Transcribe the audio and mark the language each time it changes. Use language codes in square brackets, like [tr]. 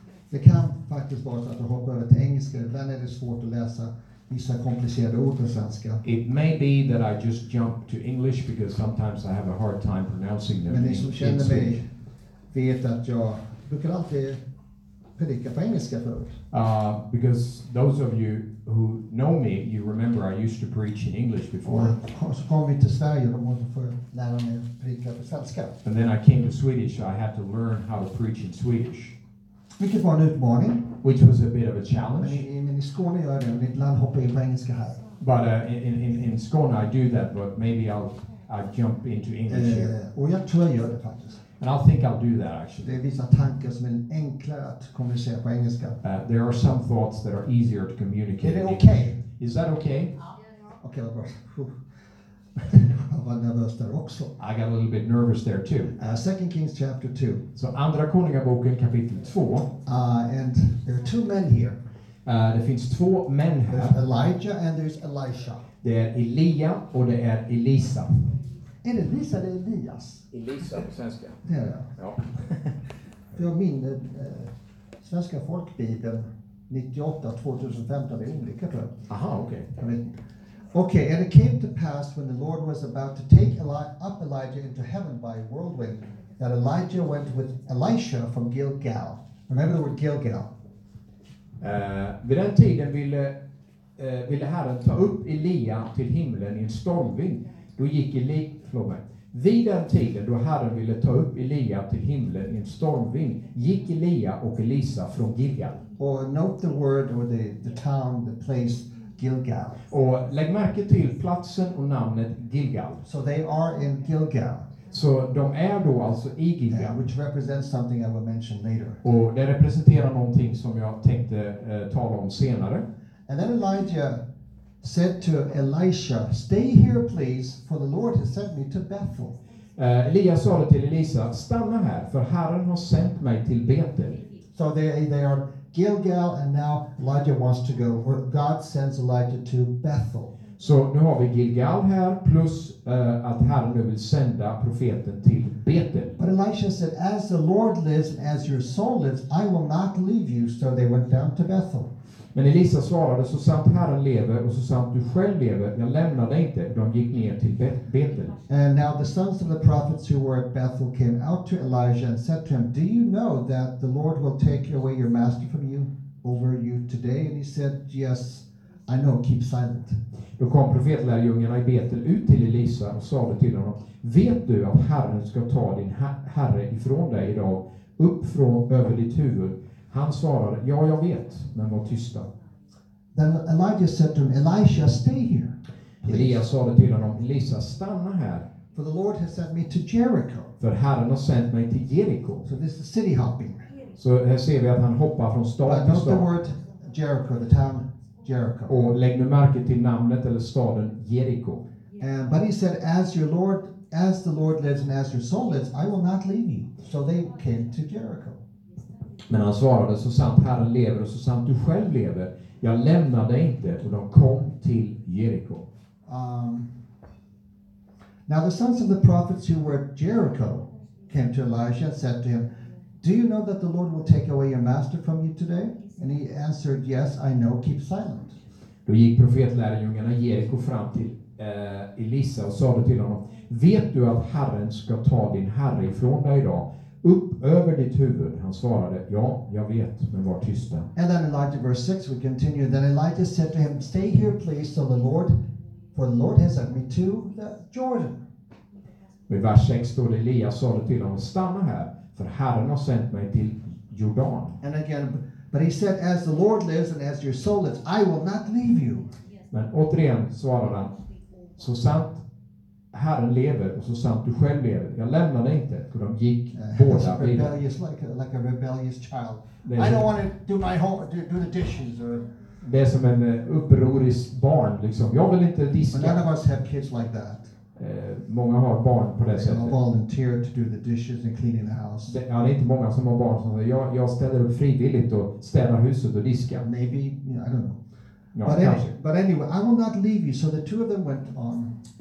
[sv] Det kan faktiskt vara så att du hoppar över till engelska. Ibland är det svårt att läsa vissa komplicerade ord på svenska. [en] It may be that I just jump to English because sometimes I have a hard time pronouncing them. [sv] Men ni som känner mig vet att jag brukar alltid predika på engelska för oss. [en] Because those of you who know me, you remember I used to preach in English before. [sv] Och så kom vi till Sverige och måste få lära mig predika på svenska. [en] And then I came to Swedish, so I had to learn how to preach in Swedish. [sv] Vilket var en utmaning. [en] Which was a bit of a challenge. [sv] Men i Skåne gör det, men ibland hoppar jag på engelska här. [en] But in Skåne I do that, but maybe I'll jump into English here. [sv] Och jag tror jag gör det faktiskt. [en] And I think I'll do that actually. [sv] Det är vissa tankar som är enklare att kommunicera på engelska. [en] There are some thoughts that are easier to communicate. [sv] Är det okej? [en] Is that okay? [sv] Okej, vad bra. Jag var nervös där också. [en] I got a little bit nervous there too. 2 Kings chapter 2. [sv] So andra konungaboken kapitel 2. [en] And there are two men here. [sv] Det finns två män här. [en] There's Elijah and there's Elisha. [sv] Det är Elia och det är Elisa. Är det Elisa eller Elias? Elisa på svenska. Det är det. Ja. Jag minns svenska folkbibeln 98-2015 är olika tror jag. Aha, okej. [en] Okay. Okay, and it came to pass when the Lord was about to take Elijah into heaven by a whirlwind, that Elijah went with Elisha from Gilgal. Remember the word Gilgal. [sv] Vid den tiden ville Herren ta upp Elia till himlen i en stormvind. Då gick vid den tiden då Herren ville ta upp Elia till himlen i en stormvind, gick Elia och Elisa från Gilgal. [en] Or note the word or the town, the place Gilgal. [sv] Och lägg märke till platsen och namnet Gilgal. [en] So they are in Gilgal. [sv] Så de är då alltså i Gilgal, yeah, [en] which represents something I will mention later. [sv] Och det representerar någonting som jag tänkte tala om senare. [en] And then Elijah said to Elisha, "Stay here, please, for the Lord has sent me to Bethel." [sv] Elias sa till Elisa, "Stanna här, för Herren har sent mig till Betel." [en] So they are Gilgal, and now Elijah wants to go, or God sends Elijah to Bethel. [sv] Så nu har vi Gilgal här plus att Herren nu vill sända profeten till Betel. [en] But Elisha said, "As the Lord lives and as your soul lives, I will not leave you." So they went down to Bethel. [sv] Men Elisa svarade, "Så sant Herren lever och så sant du själv lever, jag lämnar dig inte." De gick ner till Betel. [en] And now the sons of the prophets who were at Bethel came out to Elijah and said to him, "Do you know that the Lord will take away your master from you over you today?" And he said, "Yes, I know, keep silent." [sv] Då kom profetlärjungarna i Betel ut till Elisa och sa till honom, "Vet du att Herren ska ta din herre ifrån dig idag, upp från över ditt huvud?" Han svarade, "Ja, jag vet, men var tysta." [en] Then Elijah said to him, "Elisha, stay here." [sv] Elias sa till honom, "Elisa, stanna här. [en] For the Lord has sent me to Jericho." [sv] För Herren har sänt mig till Jericho. [en] So this is city hopping. [sv] Så här ser vi att han hoppar från stad till stad. [en] But note the word Jericho, the town Jericho. [sv] Och lägg nu märke till namnet eller staden Jericho. [en] But he said, as the Lord lives and as your soul lives, I will not leave you. So they came to Jericho. [sv] Men han svarade, så sant Herren lever och så sant du själv lever, jag lämnar dig inte. Och de kom till Jericho. [en] Now the sons of the prophets who were at Jericho came to Elijah and said to him, "Do you know that the Lord will take away your master from you today?" And he answered, "Yes, I know, keep silent." [sv] Då gick profetlärjungarna Jericho fram till Elisa och sa till honom, "Vet du att Herren ska ta din herre ifrån dig idag, upp över ditt huvud?" Han svarade, "Ja, jag vet, men var tysta." [en] And then Elijah, verse 6, we continue. Then Elijah said to him, "Stay here, please, so the Lord, for the Lord has sent me to the Jordan." [sv] I vers 6 står det, Elias sa till honom, "Stanna här, för Herren har sent mig till Jordan." [en] And again, but he said, "As the Lord lives and as your soul lives, I will not leave you." [sv] Men återigen svarade han, "Så sant Herren lever och så sant du själv lever, jag lämnar dig inte." För de gick båda vidare. [en] Like a rebellious child. I don't want to do my home, do the dishes. Or... [sv] Det är som en upprorisk barn. Liksom. Jag vill inte diska. [en] But none of us have kids like that. [sv] Många har barn på det sättet. [en] They volunteer to do the dishes and cleaning the house. [sv] Ja, det är inte många som har barn som säger, jag ställer upp frivilligt och städar huset och diska. [en] Maybe, yeah, I don't know. No, but anyway, I will not leave you. So the two of them went on.